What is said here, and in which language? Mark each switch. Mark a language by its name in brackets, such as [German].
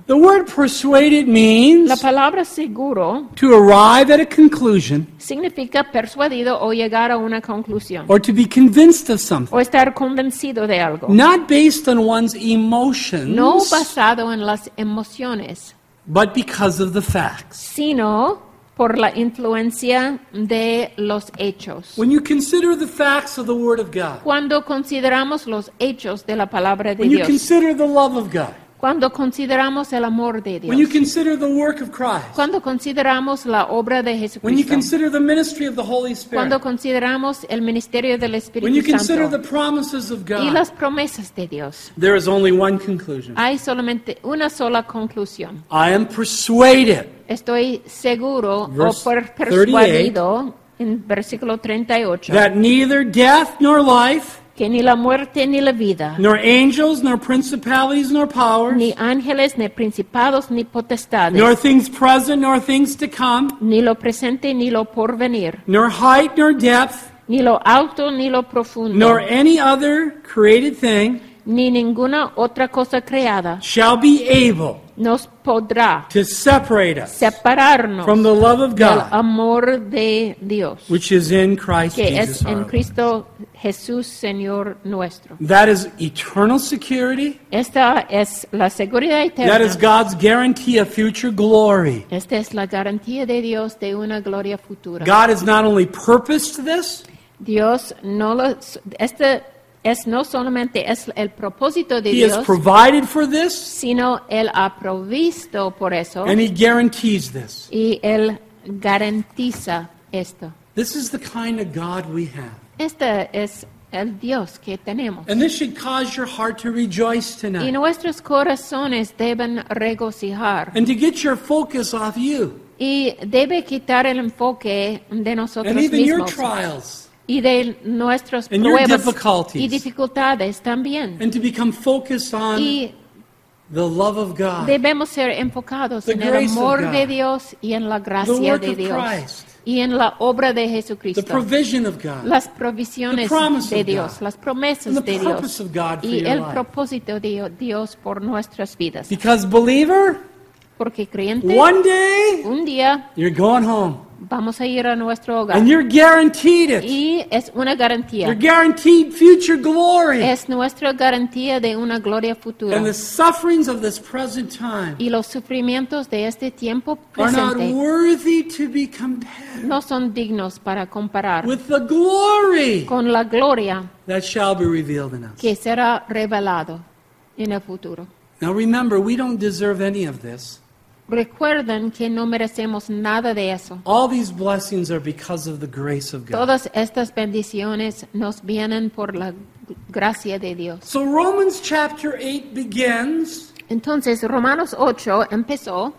[English] The word persuaded means [Spanish] la palabra seguro [English] to arrive at a conclusion [Spanish] significa persuadido o llegar a una conclusión [English] or to be convinced of something. [Spanish] O estar convencido de algo. [English] Not based on one's emotions, [Spanish] no basado en las emociones, [English] but because of the facts. [Spanish] Sino por la influencia de los hechos. [English] When you consider the facts of the Word of God, [Spanish] cuando consideramos los hechos de la palabra de [English] when [Spanish] Dios, [English] you consider the love of God, [Spanish] cuando consideramos el amor de Dios, [English] when you consider the work of Christ, [Spanish] cuando consideramos la obra de Jesucristo, [English] when you consider the ministry of the Holy Spirit, [Spanish] cuando consideramos el ministerio del Espíritu Santo, [English] when you consider the promises of God, [Spanish] y las promesas de Dios, [English] there is only one conclusion. [Spanish] Hay solamente una sola conclusión. [English] I am persuaded. [Spanish] Estoy seguro persuadido en versículo 38 [English] that neither death nor life, [Spanish] que ni la muerte ni la vida, [English] nor angels, nor principalities, nor powers, [Spanish] ni ángeles, ni principados, ni potestades, [English] nor things present, nor things to come, [Spanish] ni lo presente, ni lo porvenir, [English] nor height, nor depth, [Spanish] ni lo alto, ni lo profundo, [English] nor any other created thing, [Spanish] ni ninguna otra cosa creada, [English] shall be able [Spanish] nos podrá [English] to separate us [Spanish] separarnos [English] from the love of God, [Spanish] del amor de Dios, [English] which is in Christ [Spanish] que [English] Jesus [Spanish] es en [English] our [Spanish] Cristo [English] Lord. [Spanish] Jesús, Señor nuestro. [English] That is eternal security. [Spanish] Esta es la seguridad eterna. [English] That is God's guarantee of future glory. [Spanish] Esta es la garantía de Dios de una gloria futura. [English] God has not only purposed this, [Spanish] Dios no los, este es no solamente es el propósito de [English] he [Spanish] Dios, [English] has provided for this, [Spanish] sino Él ha provisto por eso. [English] And he guarantees this. [Spanish] Y Él garantiza esto. [English] This is the kind of God we have. [Spanish] Este es el Dios que tenemos. [English] And this should cause your heart to rejoice tonight. [Spanish] Y nuestros corazones deben regocijar. [English] And to get your focus off you. [Spanish] Y debe quitar el enfoque de nosotros [English] and even [Spanish] mismos. [English] Your trials. [Spanish] Y de nuestras [English] and [Spanish] pruebas [English] your difficulties. [Spanish] Y dificultades también. [English] And to become focused on [Spanish] y [English] the love of God. [Spanish] Debemos ser enfocados [English] the [Spanish] en [English] grace [Spanish] el amor [English] of God, [Spanish] de Dios y en la gracia [English] the work [Spanish] de Dios. [English] Of Christ. [Spanish] Y en la obra de Jesucristo. [English] The provision of God. [Spanish] Las provisiones [English] the promise [Spanish] de Dios. [English] Of God. [Spanish] Las promesas [English] and the [Spanish] de Dios. [English] Purpose of God for [Spanish] y [English] your [Spanish] el [English] life. [Spanish] Propósito de Dios por nuestras vidas. [English] Because believer, [Spanish] porque creyente, [English] one day, [Spanish] un día, [English] you're going home. [Spanish] Vamos a ir a nuestro hogar. [English] And you're guaranteed it. [Spanish] Y es una garantía. [English] You're guaranteed future glory. [Spanish] Es nuestra garantía de una gloria futura. [English] And the sufferings of this present time [Spanish] y los sufrimientos de este tiempo presente [English] are not worthy to be compared [Spanish] no son dignos para comparar [English] with the glory [Spanish] con la gloria [English] that shall be revealed in us. [Spanish] Que será revelado en el futuro. [English] Now remember, we don't deserve any of this. [Spanish] Recuerden que no merecemos nada de eso. [English] All these blessings are because of the grace of God. [Spanish] Todas estas bendiciones nos vienen por la gracia de Dios. [English] So Romans chapter 8 begins. [Spanish] Entonces Romanos 8 empezó.